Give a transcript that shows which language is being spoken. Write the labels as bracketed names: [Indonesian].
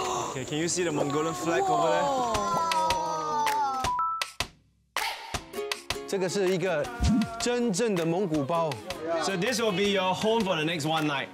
[English] Okay, can you see the Mongolian flag over there? [Chinese] 这个是一个真正的蒙古包。 [English] So this will be your home for the next one night.